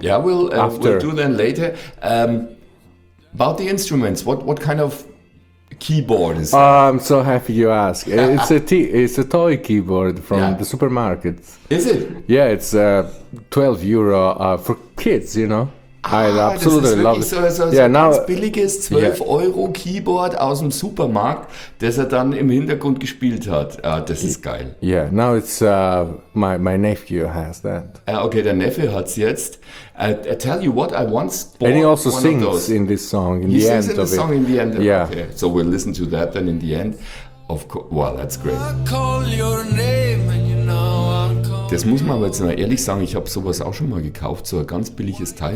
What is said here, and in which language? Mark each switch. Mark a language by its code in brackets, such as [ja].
[en] Yeah, we'll do that later. About the instruments, what kind of keyboard is that? I'm so happy you ask. It's a toy keyboard from the supermarket. Is it? Yeah, it's €12 for kids, you know. I absolutely love it. [de] Ganz billiges 12-Euro keyboard aus dem Supermarkt, das dann im Hintergrund gespielt hat. Das ist geil. [en] Yeah, now it's my nephew has that. [de] Okay, der Neffe hat's jetzt. [en] I tell you what, I once bought one of those. And he also sings in this song, in he the end He sings in the song in the end. Yeah. Okay, so we'll listen to that then in the end. Of course, wow, that's great. I call your name and you know I'm calling. [de] Das muss man aber jetzt mal ehrlich sagen, ich habe sowas auch schon mal gekauft, so ein ganz billiges Teil.